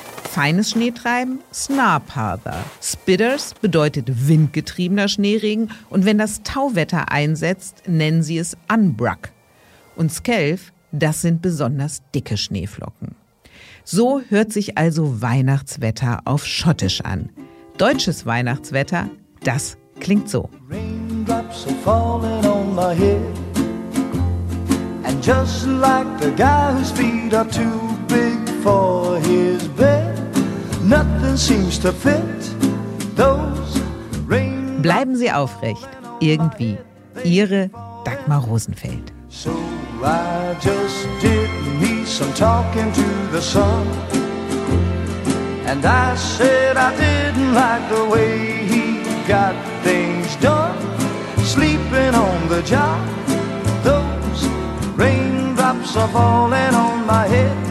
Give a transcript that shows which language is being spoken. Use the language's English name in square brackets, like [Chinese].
[German] Feines Schneetreiben, Snarpather. Spitters bedeutet windgetriebener Schneeregen und wenn das Tauwetter einsetzt, nennen sie es Unbruck. Und Skelf, das sind besonders dicke Schneeflocken. So hört sich also Weihnachtswetter auf Schottisch an. Deutsches Weihnachtswetter, das klingt so. [English] Raindrops are falling on my head. And just like the guy whose feet are too big for his bed. Nothing seems to fit those raindrops. [German] Bleiben Sie aufrecht, irgendwie. Ihre Dagmar Rosenfeld. [English] So I just did need some talking to the sun. And I said I didn't like the way he got things done. Sleeping on the job, those raindrops are falling on my head.